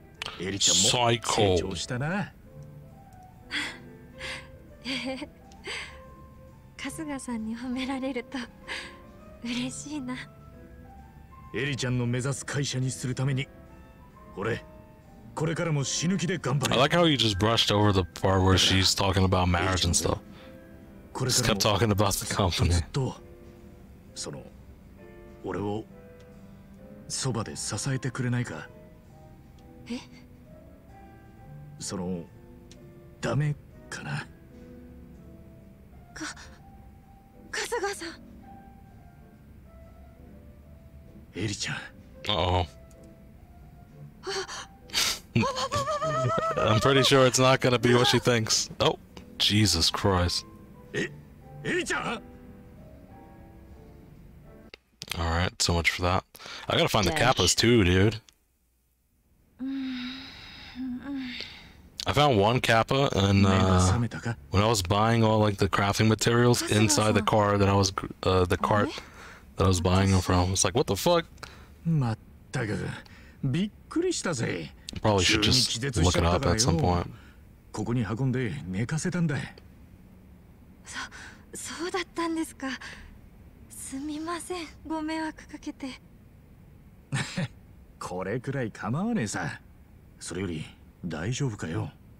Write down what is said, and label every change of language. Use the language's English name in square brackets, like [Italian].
[Japanese] なるほど。すげえ。エリちゃんらしいな。すみません。甘っちょろいこと言って。こんなんだから報酬みたいなやつに騙されるんですよね。いや、最高の目標だと思うぜ。エリちゃんも成長したな。春日さんに褒められると嬉しいな。エリちゃんの目指す会社にするために俺これからも死ぬ気で頑張る。 [English] I like how you just brushed over the part where she's talking about marriage and stuff. [Japanese] これからも [English] just kept talking about the company. [Japanese] その俺をそばで支えてくれないか。え？そのダメかな。か、春日さん。エリちゃん。 [English] I'm pretty sure it's not gonna be what she thinks. Oh, Jesus Christ. エリちゃん。 All right, so much for that. I gotta find the kappas too, dude. I found one kappa and when I was buying all like the crafting materials inside the car that I was the cart that I was buying them from, it's like what the fuck. Probably should just look it up at some point. [Japanese] ここに運んで寝かせたんだ。そうだったんですか。すみません、ご迷惑かけて。これくらい構わねえさ。それより大丈夫かよ。